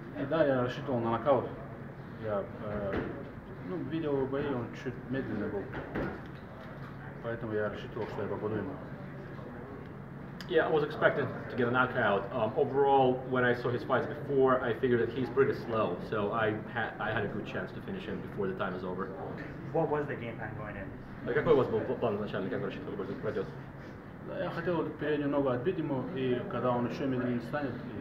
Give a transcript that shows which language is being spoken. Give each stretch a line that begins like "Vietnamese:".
Russian: Да, я рассчитывал на нокаут. Я, ну, видел его бои, он чуть медленный был. Поэтому я рассчитывал, что я попаду ему.
English: Yeah, I was expected to get a knockout. Overall, when I saw his fights before, I figured that he's pretty slow, so I had a good chance to finish him before the time is over. What was the game plan going in?
Russian: Какой у вас был план изначально, как вы рассчитывали, как он пройдет? Я хотел переднюю ногу отбить ему, и когда он еще медленнее станет,